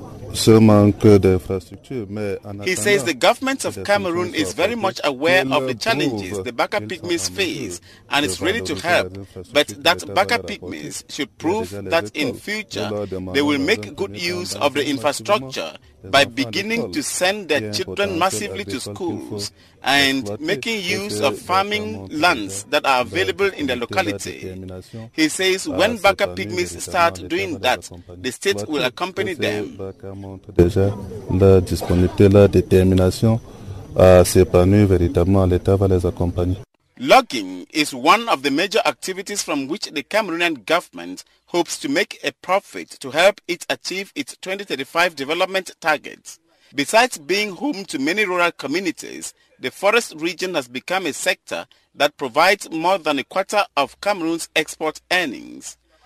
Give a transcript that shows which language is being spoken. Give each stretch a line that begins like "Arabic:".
English: He says the government of Cameroon is very much aware of the challenges the Baka pygmies face and is ready to help, but that Baka pygmies should prove that in future they will make good use of the infrastructure by beginning to send their children massively to schools and making use of farming lands that are available in the locality. He says when Baka pygmies start doing that, the state will accompany them.
French: La disponibilité, la détermination à s'épanouir véritablement, l'État va les accompagner.
English: Logging is one of the major activities from which the Cameroonian government hopes to make a profit to help it achieve its 2035 development targets. Besides being home to many rural communities, the forest region has become a sector that provides more than a quarter of Cameroon's export earnings.